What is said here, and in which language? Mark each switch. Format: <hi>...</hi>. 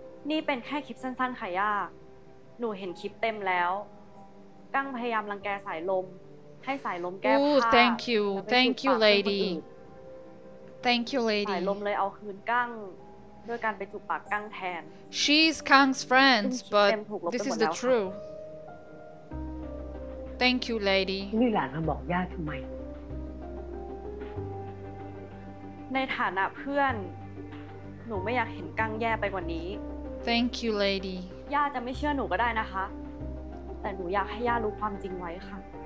<th>นี่เป็นแค่คลิปสั้นๆค่ะย่าหนูเห็นคลิปเต็มแล้วกั้งพยายามรังแกสายลมให้สายลมแก้ผ้า</th> <en>Ooh, thank you thank you lady thank you lady</en> <th>สายลมเลยเอาคืนกั้งด้วยการไปจูบปากกั้งแทน</th> <en>She's Kang's friends but this is the truth thank you lady</en> <th>นี่หลานมาบอกย่าทำไม ในฐานะเพื่อนหนูไม่อยากเห็นกั้งแย่ไปกว่านี้</th> <en>Thank you lady</en> <th>ย่าจะไม่เชื่อหนูก็ได้นะคะแต่หนูอยากให้ย่ารู้ความจริงไว้ค่ะ</th>